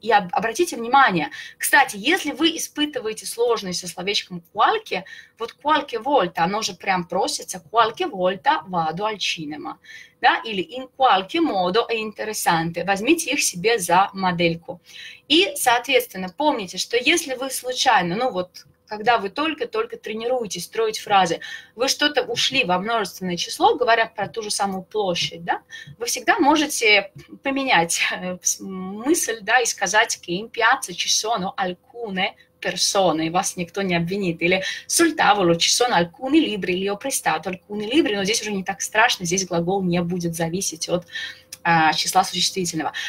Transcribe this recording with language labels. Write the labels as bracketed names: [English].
[Russian] И обратите внимание, кстати, если вы испытываете сложность со словечком qualche, вот qualche volta, оно же прям просится, [Italian] qualche volta vado al cinema. [Russian] Да? [Italian] Или in qualche modo è interessante. [Russian] Возьмите их себе за модельку. И, соответственно, помните, что если вы случайно, ну вот, когда вы только-только тренируетесь строить фразы, вы что-то ушли во множественное число, говоря про ту же самую площадь, да? Вы всегда можете поменять мысль, да, и сказать [Italian] «che in piazza ci sono alcune persone», [Russian] вас никто не обвинит, или [Italian] «sul tavolo ci sono alcuni libri», [Russian] или [Italian] «ho prestato alcuni libri», [Russian] но здесь уже не так страшно, здесь глагол не будет зависеть от числа существительного.